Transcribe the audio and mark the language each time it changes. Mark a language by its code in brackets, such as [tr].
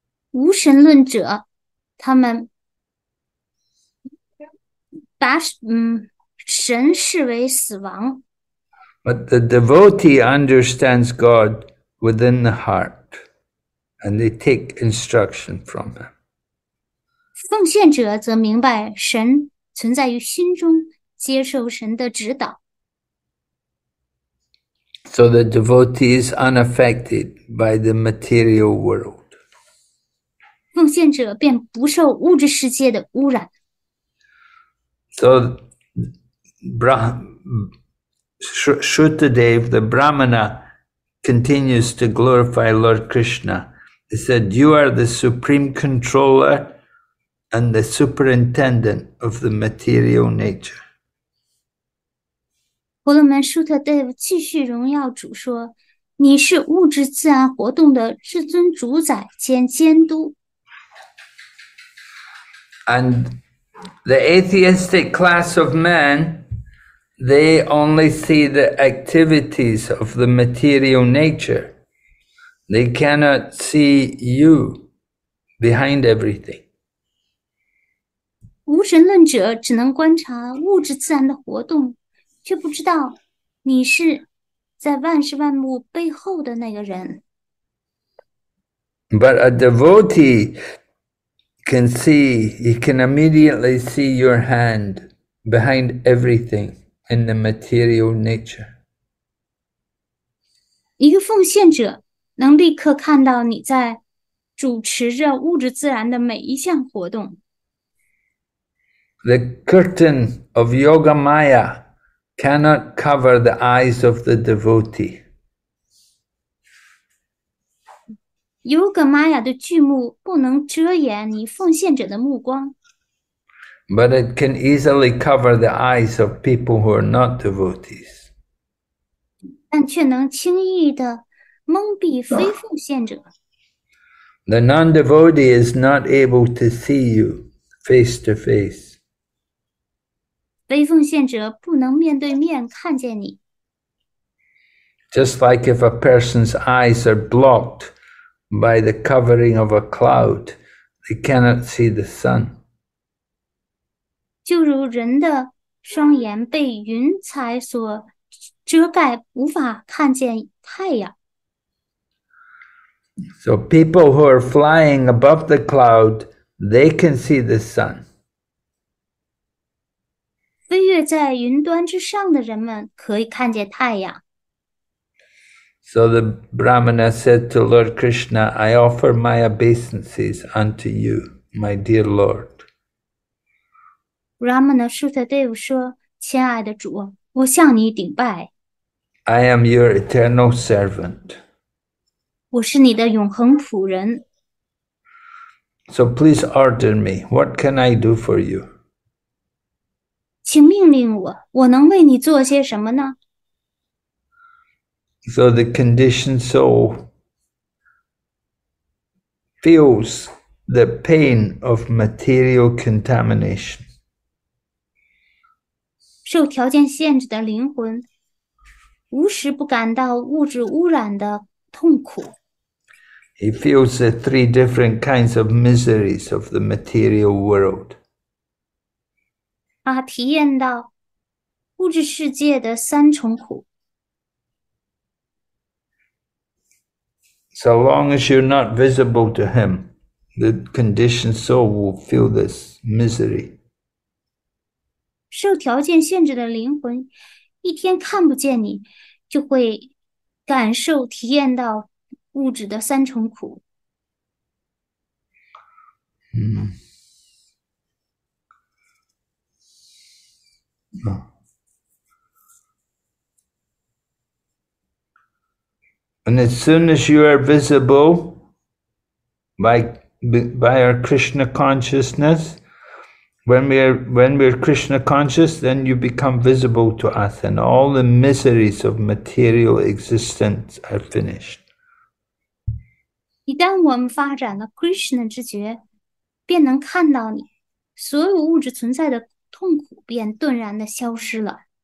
[zh] 无神论者，他们把神视为死亡。 [en] But the devotee understands God within the heart, and they take instruction from him. [zh] 奉献者则明白神存在于心中，接受神的指导。 [en] So the devotee is unaffected by the material world. [zh] 奉献者便不受物质世界的污染。 [en] So Shrutadev, the Brahmana, continues to glorify Lord Krishna. He said, you are the supreme controller and the superintendent of the material nature. [zh] 婆罗门 Shrutadev 继续荣耀主说，你是物质自然活动的至尊主宰兼监督。 [en] And the atheistic class of men, they only see the activities of the material nature. They cannot see you behind everything. [zh] 无神论者只能观察物质自然的活动，却不知道你是在万事万物背后的那个人。 [en] But a devotee can see, he can immediately see your hand behind everything in the material nature. [zh] 一个奉献者能立刻看到你在主持着物质自然的每一项活动。 [en] The curtain of yoga maya cannot cover the eyes of the devotee. [zh] Yoga maya 的剧目不能遮掩你奉献者的目光。 [en] But it can easily cover the eyes of people who are not devotees. [zh] 但却能轻易地蒙蔽非奉献者。 [en] The non-devotee is not able to see you face to face. [zh] 非奉献者不能面对面看见你。 [en] Just like if a person's eyes are blocked by the covering of a cloud, they cannot see the sun. [zh] 就如人的双眼被云彩所遮盖，无法看见太阳。 [en] So people who are flying above the cloud, they can see the sun. [zh] 飞跃在云端之上的人们可以看见太阳。 [en] So the Brahmana said to Lord Krishna, I offer my obeisances unto you, my dear Lord. [zh] Brahmana Shrutadev 说，亲爱的主，我向你顶拜。 [en] I am your eternal servant. [zh] 我是你的永恒仆人。 [en] So please order me, what can I do for you? [zh] 请命令我，我能为你做些什么呢？ [en] So the conditioned soul feels the pain of material contamination. [zh] 受条件限制的灵魂无时不感到物质污染的痛苦。 [en] He feels the three different kinds of miseries of the material world. [zh] 他体验到物质世界的三重苦。 [en] So long as you're not visible to him, the conditioned soul will feel this misery. [zh] 受条件限制的灵魂一天看不见你就会感受体验到物质的三重苦。 [en] And as soon as you are visible by our Krishna consciousness, when we're Krishna conscious, then you become visible to us and all the miseries of material existence are finished. [zh] 一旦我们发展了 Krishna 之觉，便能看到你，所有物质存在的痛苦便顿然地消失了。